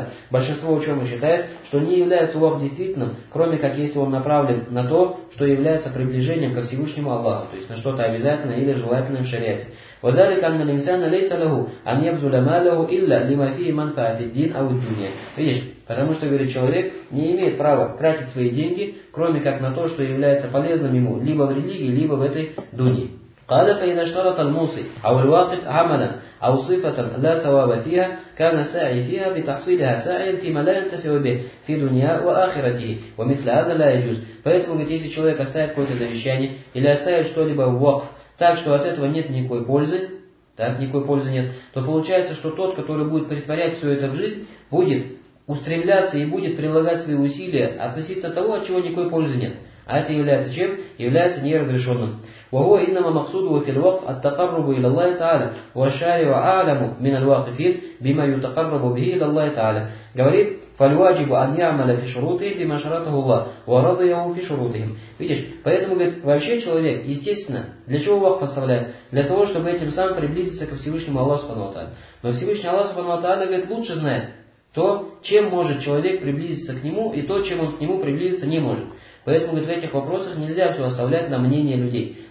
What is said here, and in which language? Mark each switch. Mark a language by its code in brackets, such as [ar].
[ru] Большинство ученых считает, что не является вакф действительным, кроме как если он направлен на то, что является приближением ко Всевышнему Аллаху, то есть на что-то обязательное или желательное в шариате. [ar] وذلك أن الإنسان ليس له أن يبذل ماله إلا لما فيه منفعة في الدين أو الدنيا. [ru] Видишь, Потому что, говорит, человек не имеет права тратить свои деньги, кроме как на то, что является полезным ему либо в религии, либо в этой дуне. [ar] قالت إن اشترط الموصي أو الواقف عملا أو صفة لا ثواب فيها كان ساعي فيها بتحصيلها ساعيا فيما لا ينتفع به في دنيا وآخرته ومثل هذا لا يجوز. [ru] Поэтому ведь если человек оставит какое-то завещание или оставит что-либо в вакф так, что от этого нет никакой пользы, так, никакой пользы нет, то получается, что тот, который будет претворять все это в жизнь, будет устремляться и будет прилагать свои усилия относительно того, от чего никакой пользы нет. А это является чем? Является неразрешенным. [ar] وهو إنما مقصوده في الوقف التقرب إلى الله تعالى والشارع أعلم من الواقفين بما يتقرب به إلى الله تعالى. [ru] Говорит, [ar] فالواجب أن يعمل في شروطه بما شرطه الله ورضيه في شروطهم. [ru] Видишь, поэтому, говорит, вообще человек, естественно, для чего вакф оставляет? Для того, чтобы этим самым приблизиться ко Всевышнему Аллаху Субхану ва Тааля. Но Всевышний Аллах Субхану ва Тааля, говорит, лучше знает то, чем может человек приблизиться к нему, и то, чем он к нему приблизиться не может. Поэтому, говорит, в этих вопросах нельзя все оставлять на мнение людей.